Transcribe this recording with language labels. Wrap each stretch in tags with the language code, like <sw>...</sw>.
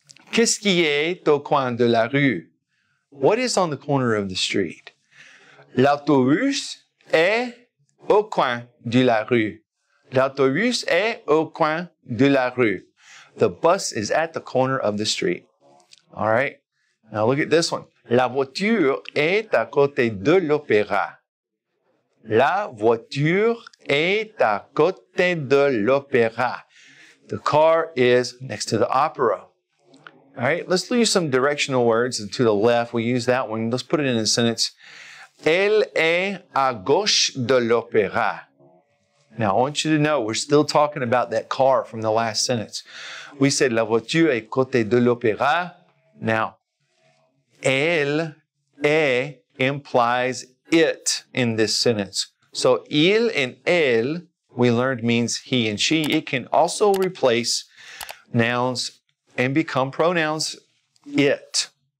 <fr>Qu'est-ce qui est au coin de la rue?</fr> <en>What is on the corner of the street?</en> <fr>L'autobus est au coin de la rue. L'autobus est au coin de la rue.</fr> <en>The bus is at the corner of the street. All right. Now look at this one.</en> <fr>La voiture est à côté de l'opéra. La voiture est à côté de l'opéra.</fr> <en>The car is next to the opera. All right, let's use some directional words to the left. We use that one. Let's put it in a sentence.</en> <fr>Elle est à gauche de l'opéra.</fr> <en>Now, I want you to know we're still talking about that car from the last sentence. We said</en> <fr>la voiture est à côté de l'opéra.</fr> <en>Now, elle, est implies it in this sentence. So, il and elle, we learned means he and she. It can also replace nouns and become pronouns, it.</en>